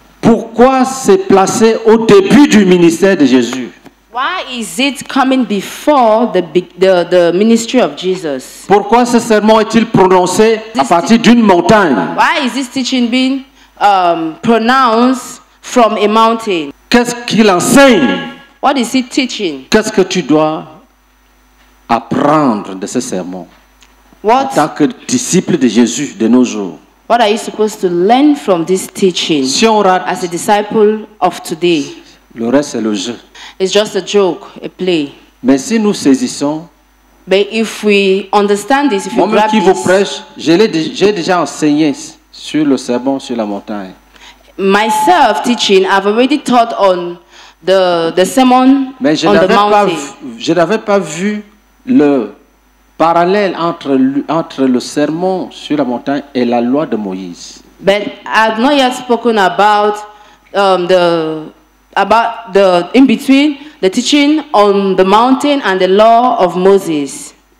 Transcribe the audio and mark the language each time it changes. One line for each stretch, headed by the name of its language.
French: Pourquoi c'est placé au début du ministère de Jésus?
English: Why is it coming before the ministry of Jesus?
French: Pourquoi ce serment est-il prononcé à partir d'une montagne?
English: Why is this teaching being pronounced from a mountain?
French: Qu'est-ce qu'il enseigne?
English: What is it teaching?
French: Qu'est-ce que tu dois apprendre de ce serment?
English: What,
French: en tant que disciple de Jésus de nos jours?
English: What are you supposed to learn from this teaching?
French: Si on rate,
English: as a disciple of today.
French: Le reste c'est le jeu.
English: It's just a joke, a play.
French: Mais si nous saisissons,
English: but if we understand this, if we grab
French: qui vous prêche, j'ai déjà enseigné sur le serment sur la montagne.
English: Myself teaching, I've already taught on the sermon
French: mais
English: on the mountain.
French: Mais je n'avais pas vu le parallèle entre le serment sur la montagne et la loi de Moïse.
English: But I've not yet spoken about the in between the teaching on the mountain and the law of Moses.